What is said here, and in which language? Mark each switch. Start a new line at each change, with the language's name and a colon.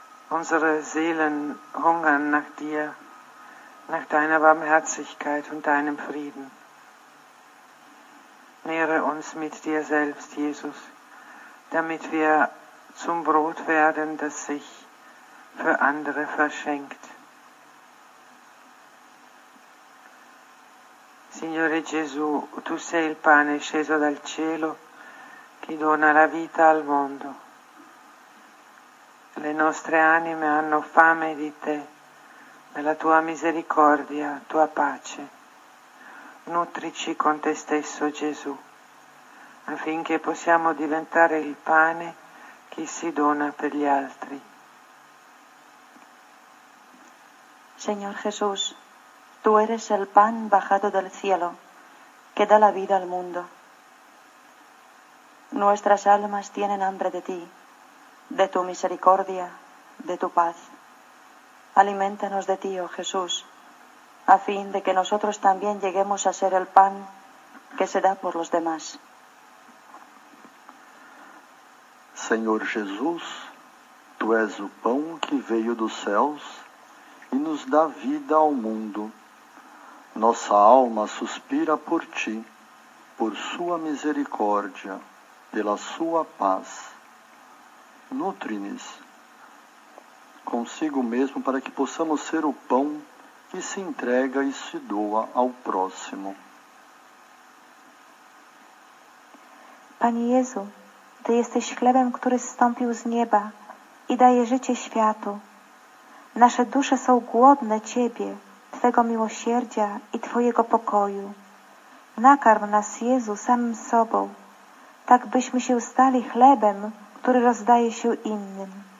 German: Unsere Seelen hungern nach dir, nach deiner Barmherzigkeit und deinem Frieden. Nähre uns mit dir selbst, Jesus, damit wir zum Brot werden, das sich für andere verschenkt.
Italian: Signore Gesù, tu sei il pane sceso dal cielo che dona la vita al mondo. Le nostre anime hanno fame di te, della tua misericordia, tua pace. Nutrici con te stesso, Gesù, affinché possiamo diventare il pane che si dona per gli altri.
Spanish: Signor Gesù, Tú eres el pan bajado del cielo, que da la vida al mundo. Nuestras almas tienen hambre de ti, de tu misericordia, de tu paz. Aliméntanos de ti, oh Jesús, a fin de que nosotros también lleguemos a ser el pan que se da por los demás. Señor Jesús, tú eres el pan que
Portuguese: veio dos céus
Spanish: y nos da vida al mundo.
Portuguese: Nossa alma suspira por ti, por sua misericórdia, pela sua paz. Nutre-nos consigo mesmo para que possamos ser o pão que se entrega e se doa ao próximo.
Polish: Panie Jezu, Ty jesteś chlebem, który zstąpił z nieba i daje życie światu. Nasze dusze są głodne Ciebie. Twego miłosierdzia i Twojego pokoju. Nakarm nas, Jezu, samym sobą, tak byśmy się stali chlebem, który rozdaje się innym.